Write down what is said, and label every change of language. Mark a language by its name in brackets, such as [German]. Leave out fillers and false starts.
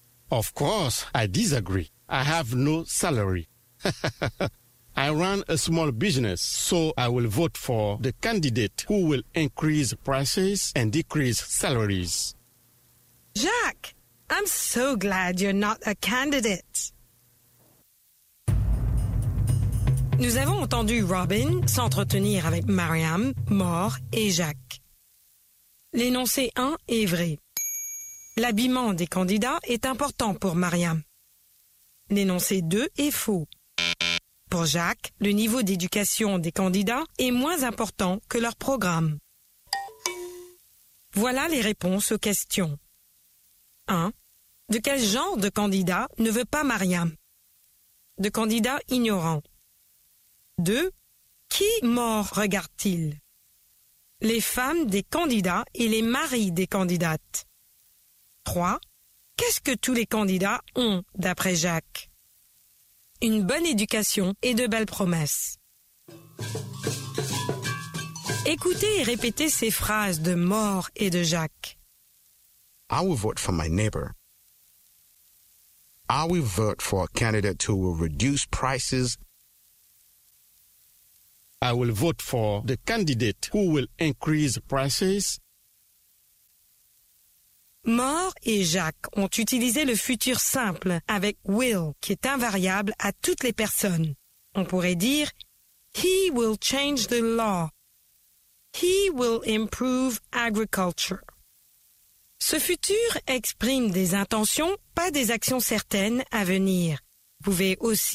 [English] Of course, I disagree. I have no salary. I run a small business, so I will vote for the candidate who will increase prices and decrease salaries. Jacques, I'm so glad you're not a candidate. [French] Nous avons entendu Robin s'entretenir avec Mariam, Moore et Jacques. L'énoncé 1 est vrai. L'habillement des candidats est important pour Mariam. L'énoncé 2 est faux. Pour Jacques, le niveau d'éducation des candidats est moins important que leur programme. Voilà les réponses aux questions. 1. De quel genre de candidat ne veut pas Mariam? De candidat ignorant. 2. Qui mort regarde-t-il? Les femmes des candidats et les maris des candidates. 3. Qu'est-ce que tous les candidats ont, d'après Jacques? Une bonne éducation et de belles promesses. Écoutez et répétez ces phrases de Moore et de Jacques. [English] I will vote for my neighbor. I will vote for a candidate who will reduce prices. I will vote for the candidate who will increase prices. [French] Moore et Jacques ont utilisé le futur simple avec will, qui est invariable à toutes les personnes. On pourrait dire, [English] he will change the law. He will improve agriculture. [French] Ce futur exprime des intentions, pas des actions certaines à venir. Vous pouvez aussi